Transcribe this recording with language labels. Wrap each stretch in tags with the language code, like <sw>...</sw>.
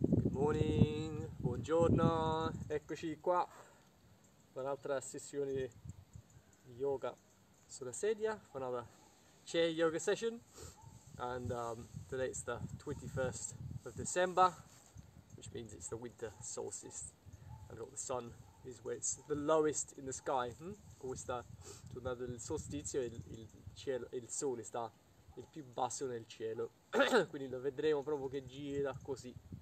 <en>Morning,</en> <it>buongiorno, eccoci qua con un'altra sessione di yoga sulla sedia, con una</it> <en>chair yoga session. And today is the 21st of December, which means it's the winter solstice and all the sun is where it's the lowest in the sky.</en> <it>Questa giornata del solstizio il sole sta il più basso nel cielo, quindi lo vedremo proprio che gira così.</it>